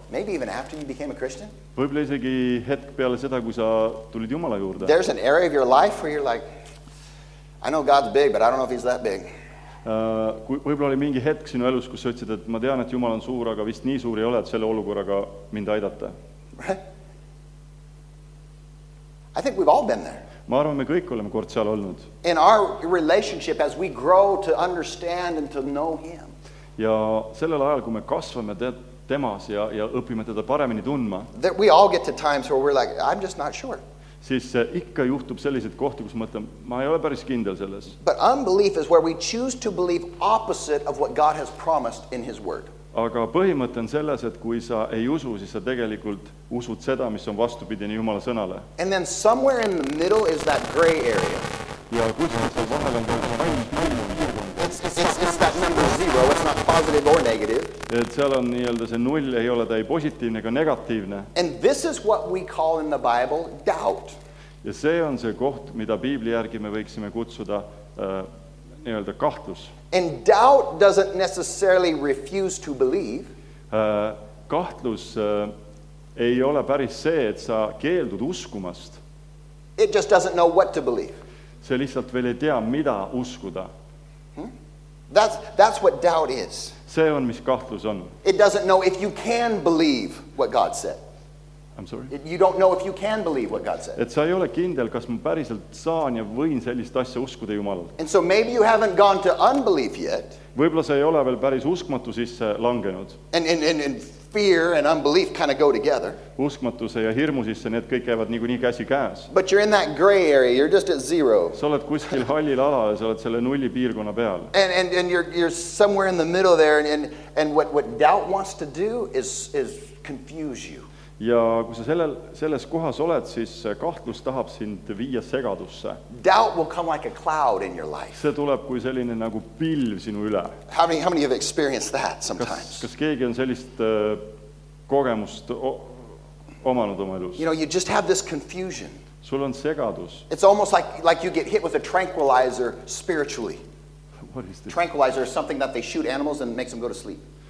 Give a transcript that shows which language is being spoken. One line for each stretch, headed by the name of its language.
English: Maybe even after you became a Christian?
Estonian: Võibolla isegi hetk peale seda, kui sa tulid Jumala juurde.
English: There's an area of your life where you're like, I know God's big, but I don't know if he's that big.
Estonian: Võibolla oli mingi hetk sinu elus, kus sa ütlesid, et ma tean, et Jumal on suur, aga vist nii suur ei ole, et selle olukorraga mind aidata.
English: I think we've all been there.
Estonian: Ma arvan, me kõik oleme kord seal olnud.
English: In our relationship, as we grow to understand and to know him.
Estonian: Ja sellel ajal, kui me kasvame temas ja õpime teda paremini tundma.
English: That we all get to times where we're like, I'm just not sure.
Estonian: Siis ikka juhtub sellised kohti, kus mõtlen, ma ei ole päris kindel selles.
English: But unbelief is where we choose to believe opposite of what God has promised in his word.
Estonian: Aga põhimõte on selles, et kui sa ei usu, siis sa tegelikult usud seda, mis on vastupidine Jumala sõnale.
English: And then somewhere in the middle is that gray area.
Estonian: Ja kuskil seal vahel on kõik vahel.
English: It's that number zero, it's not positive or negative.
Estonian: Et seal on nii-öelda see null, ei ole ta ei positiivne ega negatiivne.
English: And this is what we call in the Bible doubt.
Estonian: Ja see on see koht, mida Biibli järgi me võiksime kutsuda nii-öelda kahtlus.
English: And doubt doesn't necessarily refuse to believe.
Estonian: Kahtlus ei ole päris see, et sa keeldud uskumast.
English: It just doesn't know what to believe.
Estonian: See lihtsalt veel ei tea, mida uskuda.
English: That's what doubt is.
Estonian: See on, mis kahtlus on.
English: It doesn't know if you can believe what God said. I'm sorry. You don't know if you can believe what God said.
Estonian: Et sa ei ole kindel, kas ma päriselt saan ja võin sellist asja uskuda Jumalalt.
English: And so maybe you haven't gone to unbelief yet.
Estonian: Võibolla sa ei ole veel päris uskmatu sisse langenud.
English: And fear and unbelief kind of go together.
Estonian: Uskmatuse ja hirmu sisse, need kõik käivad nii kui nii käsi käes.
English: But you're in that gray area, you're just at zero.
Estonian: Sa oled kuskil hallil ala ja sa oled selle nulli piirkonna peal.
English: And you're somewhere in the middle there and what doubt wants to do is confuse you.
Estonian: Ja kui sa selles kohas oled, siis kahtlus tahab sind viia segadusse.
English: Doubt will come like a cloud in your life.
Estonian: See tuleb kui selline nagu pilv sinu üle.
English: How many have experienced that sometimes?
Estonian: Kas keegi on sellist kogemust omanud oma elus.
English: You know, you just have this confusion.
Estonian: Sul on segadus.
English: It's almost like you get hit with a tranquilizer spiritually. What is this? Tranquilizer is something that they shoot animals and makes them go to sleep.